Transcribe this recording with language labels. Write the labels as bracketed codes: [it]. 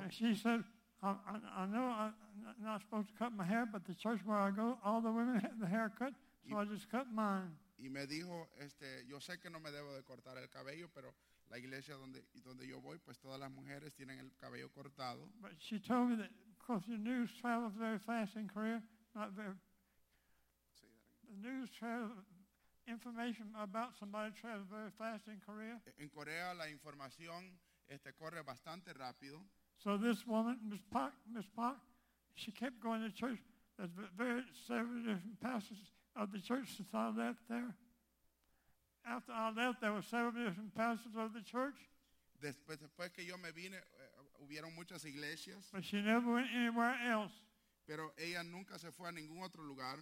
[en] And she said, I know I'm not supposed to cut my hair, but the church where I go, all the women have the hair cut, so I just cut mine. [es] Y me dijo, yo sé que no me debo de cortar el cabello, pero la iglesia donde yo voy, pues todas las mujeres tienen el cabello cortado. [en] But she told me that, of course, the news travels very fast in Korea, not very. The news travel, information about somebody travels very fast in Korea. [es] En Corea la información corre bastante rápido. [en] So this woman, Miss Park, she kept going to church. There's very several different pastors of the church since I left there. After I left, there were several different pastors of the church. [es] Después que yo me vine, hubieron muchas iglesias. [en] But she never went anywhere else. [es] Pero ella nunca se fue a ningún otro lugar.